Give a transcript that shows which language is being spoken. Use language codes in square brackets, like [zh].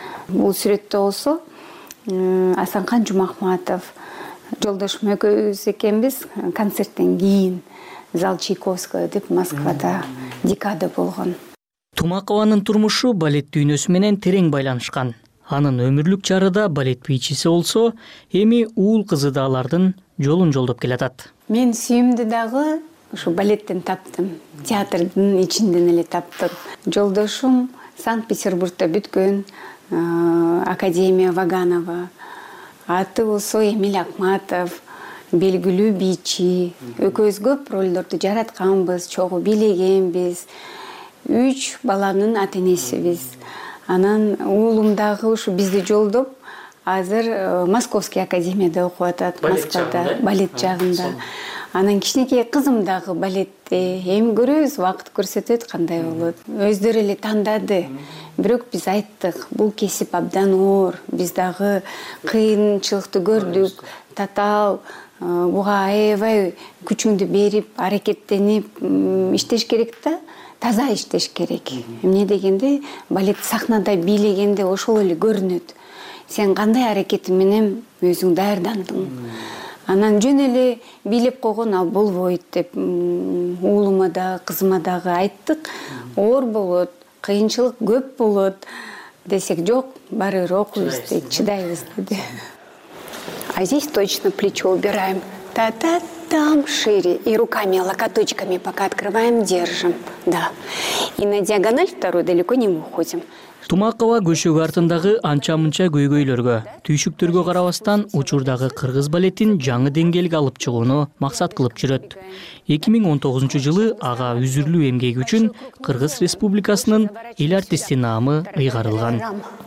[ky] Бул сүрөттө болсо Асанкан Жумахматов. Жолдошум экөөбүз экенбиз концерттен кийин. Зал Чайковского деп Москвада декада болгон. Тумакованын турмушу балет дүйнөсү менен терең байланышкан. Анын өмүрлүк жары да балет бийчиси болсо, эми уул кызы да алардын жолун жолдоп келатат. Мен сүйүмдү дагы ушу балеттен таптым. Театрдын ичинден эле таптым. Жолдошум Санкт-Петербургда бүткөн Академия Ваганова. Аты болсо Эмиль Акматов. Белгилүү бийчи. Экөөбүз көп ролдорду жаратканбыз, чогуу билегенбиз. Үч баланын ата-энесибиз. Анан уулум дагы ушу бизди жолдоп азыр Московский академияда окуп атат. Москвада балет жагында. Анан кичинекей кызым дагы балетте. Эми көрөбүз, убакыт көрсөтөт кандай болот. Өздөрү эле тандады. Бирок биз айттык, бул кесип абдан оор. Биз дагы кыйынчылыкты көрдүк. Татаал буга аябай күчүңдү берип, аракеттенип иштеш керек да. Таза иштеш керек. Эмне дегенде, балет сахнада бийлегенде ошол эле көрүнөт. Сен кандай аракетиң менен өзүң даярдандың. Анан жөн эле бийлеп койгон ал болбойт деп уулума да, кызыма дагы айттык. Оор болот, кыйынчылык көп болот десек, жок, баары бир окуйбуз деп, чыдайбыз деди. [ru] А здесь точно плечо убираем. Та-та-там шире. И руками, локоточками пока открываем, держим. Да. И на диагональ вторую далеко не уходим. [ky] Тумакова көшөгө артындагы анча-мынча көйгөйлөргө, түйшүктөргө карабастан учурдагы кыргыз балетин жаңы деңгээлге алып чыгууну максат кылып жүрөт. 2019 жылы ага үзүрлүү эмгеги үчүн Кыргыз Республикасынын эл артисттин наамы ыйгарылган.